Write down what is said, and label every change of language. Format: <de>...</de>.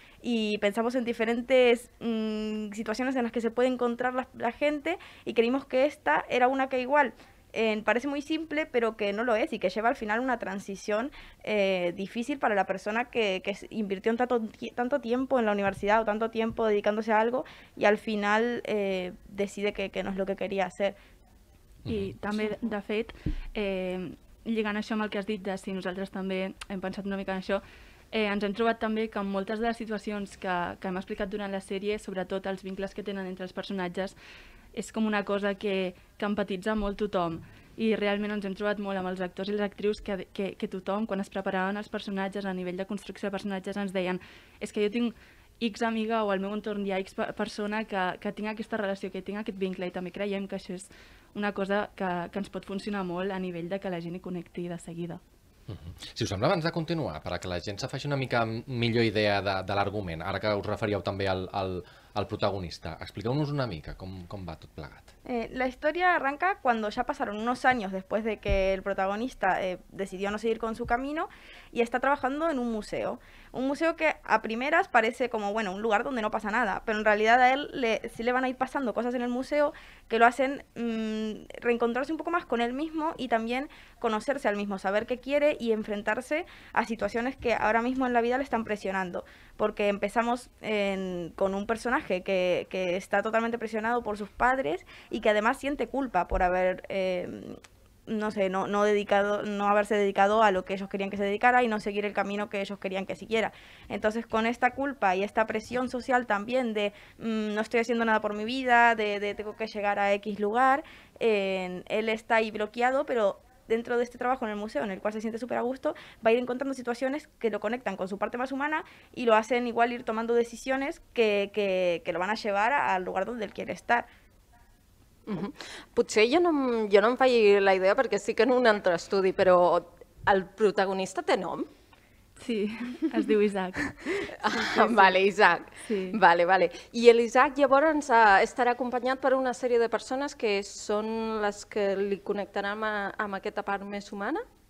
<es>Y pensamos en diferentes situaciones en las que se puede encontrar la gente, y creímos que esta era una que igual parece muy simple, pero que no lo es, y que lleva al final una transición difícil para la persona que invirtió tanto tiempo en la universidad o tanto tiempo dedicándose a algo, y al final decide que no es lo que quería hacer.</es> <ca>I també, de fet, lligant això amb el que has dit, de si nosaltres també hem pensat una mica en això, ens hem trobat també que en moltes de les situacions que hem explicat durant la sèrie, sobretot els vincles que tenen entre els personatges, és com una cosa que empatitza molt tothom, i realment ens hem trobat molt amb els actors i les actrius que tothom, quan es preparaven els personatges a nivell de construcció de personatges, ens deien, és que jo tinc X amiga o al meu entorn hi ha X persona que tinc aquesta relació, que tinc aquest vincle, i també creiem que això és una cosa que ens pot funcionar molt a nivell de que la gent hi connecti de seguida. Si us sembla, abans de continuar, perquè la gent se faci una mica millor idea de l'argument, ara que us referíeu també al protagonista, expliqueu-nos una mica com va tot plegat. La història arranca quan ja passaron uns anys després de que el protagonista</ca> <es>decidió no seguir con su camino</es> <ca>i està treballant en un museu.</ca> <es>Un museo que a primeras parece como, bueno, un lugar donde no pasa nada, pero en realidad a él sí le van a ir pasando cosas en el museo que lo hacen reencontrarse un poco más con él mismo y también conocerse al mismo, saber qué quiere y enfrentarse a situaciones que ahora mismo en la vida le están presionando. Porque empezamos con un personaje que está totalmente presionado por sus padres y que además siente culpa por haber no haberse dedicado a lo que ellos querían que se dedicara y no seguir el camino que ellos querían que siguiera. Entonces, con esta culpa y esta presión social también de no estoy haciendo nada por mi vida, de tengo que llegar a X lugar, él está ahí bloqueado, pero dentro de este trabajo en el museo, en el cual se siente súper a gusto, va a ir encontrando situaciones que lo conectan con su parte más humana y lo hacen igual ir tomando decisiones que lo van a llevar al lugar donde él quiere estar.</es> <ca>Potser jo no em faig la idea perquè sí que en un altre estudi, però el protagonista té nom? Sí, es diu Isaac. Vale, Isaac. Sí. Vale. I l'Isaac llavors estarà acompanyat per una sèrie de persones que són les que li connectaran amb aquesta part més humana?</ca>